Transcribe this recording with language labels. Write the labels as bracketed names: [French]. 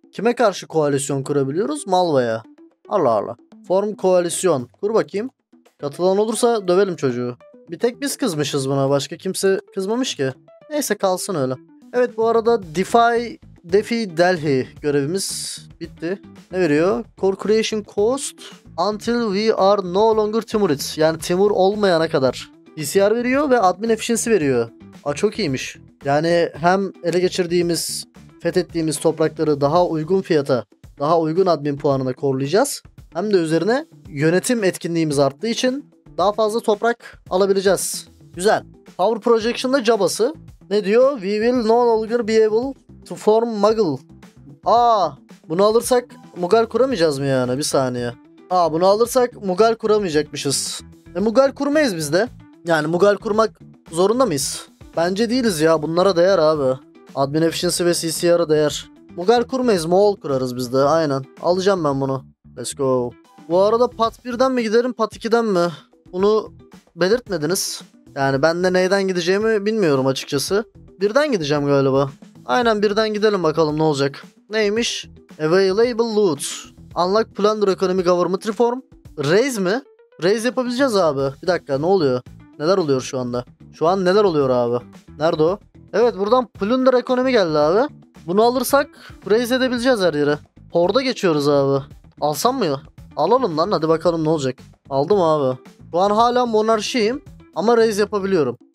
[Turkish] Kime karşı koalisyon kurabiliyoruz? Malva'ya. Allah Allah. Form koalisyon. Kur bakayım. Katılan olursa dövelim çocuğu. Bir tek biz kızmışız buna. Başka kimse kızmamış ki. Neyse, kalsın öyle. Evet, bu arada Defi Delhi görevimiz bitti. Ne veriyor? [English] Core creation cost until we are no longer Timurids. [Turkish] Yani Timur olmayana kadar. PCR veriyor ve admin efficiency veriyor. Aa, çok iyiymiş. Yani hem ele geçirdiğimiz, fethettiğimiz toprakları daha uygun fiyata, daha uygun admin puanına korlayacağız. Hem de üzerine yönetim etkinliğimiz arttığı için daha fazla toprak alabileceğiz. Güzel. Power Projection'da Jabba'sı. Ne diyor? [English] We will no longer be able to form Muggle. [Turkish] Aa, bunu alırsak Mughal kuramayacağız mı yani? Bir saniye. Aa, bunu alırsak Mughal kuramayacakmışız. Mughal kurmayız biz de. Yani Mughal kurmak zorunda mıyız? Bence değiliz ya. Bunlara değer abi. Admin Efficiency ve CCR'a değer. Mugal kurmayız, Moğol kurarız biz de. Aynen. Alacağım ben bunu. [English] Let's go. [Turkish] Bu arada pat 1'den mi giderim, pat 2'den mi? Bunu belirtmediniz. Yani ben de neyden gideceğimi bilmiyorum açıkçası. 1'den gideceğim galiba. Aynen 1'den gidelim bakalım ne olacak. Neymiş? [English] Available loot. Unlock plunder economy government reform. [Turkish] Raise mi? Raise yapabileceğiz abi. Bir dakika, ne oluyor? Neler oluyor şu anda? Şu an neler oluyor abi? Nerede o? Evet, buradan plunder economy geldi abi. Bunu alırsak raise edebileceğiz her yere. Horda geçiyoruz abi. Alsam mı? Alalım lan, hadi bakalım ne olacak. Aldım abi. Şu an hala monarşiyim ama raise yapabiliyorum.